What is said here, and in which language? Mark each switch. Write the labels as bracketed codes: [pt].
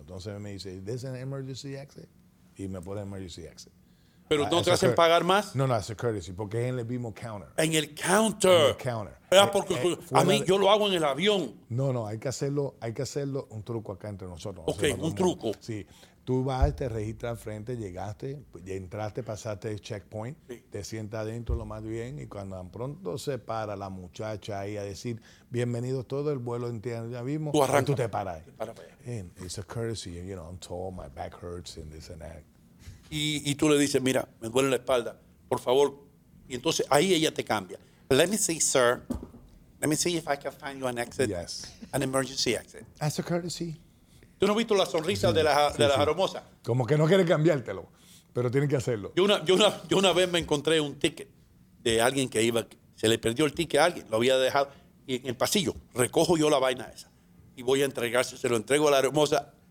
[es] Entonces me dice, [en] is this an emergency exit? [es] Y me pone emergency exit. ¿Pero no te hacen pagar más? No, no, es [en] a courtesy, [es] porque es en el mismo counter. ¿En el counter? En el counter. Yo lo hago en el avión. No, no, hay que hacerlo un truco acá entre nosotros. Ok, un truco. Sí, tú vas, te registras al frente, llegaste, entraste, pasaste el checkpoint, sí. Te sientas adentro lo más bien, y cuando de pronto se para la muchacha ahí a decir, bienvenido todo el vuelo, entiendo, ya mismo, tú arrancas. Tú te paras. [en] It's a courtesy, you know, I'm tall, my back hurts, and this and that. [es] Y tú le dices, mira, me duele la espalda, por favor. Y entonces ahí ella te cambia. [en] Let me see, sir. Let me see if I can find you an exit. Yes. An emergency exit. As a courtesy. [es] ¿Tú no has visto la sonrisa sí, de la aromosa? Como que no quiere cambiártelo, pero tiene que hacerlo. Yo una vez me encontré un ticket de alguien que iba, se le perdió el ticket a alguien, lo había dejado en el pasillo. Recojo yo la vaina esa y voy a entregarse, se lo entrego a la aromosa.